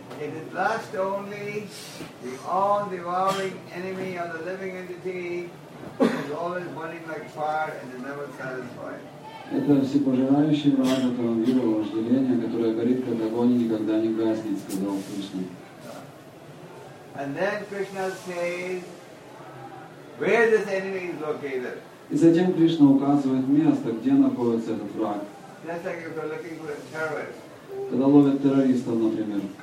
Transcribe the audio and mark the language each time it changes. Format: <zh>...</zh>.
<en>It is lust only, the all-devouring enemy of the living entity is always burning like fire and is never satisfied.</en> <ru>Это всепожирающий враг этого мира, вожделение, которое горит как огонь и никогда не гаснет, сказал Кришна.</ru> <en>And then Krishna says, where this enemy is located.</en> <ru>И затем Кришна указывает место, где находится этот враг.</ru> <en>Just like if you're looking for a terrorist.</en> <ru>Когда ловят террористов, например.</ru>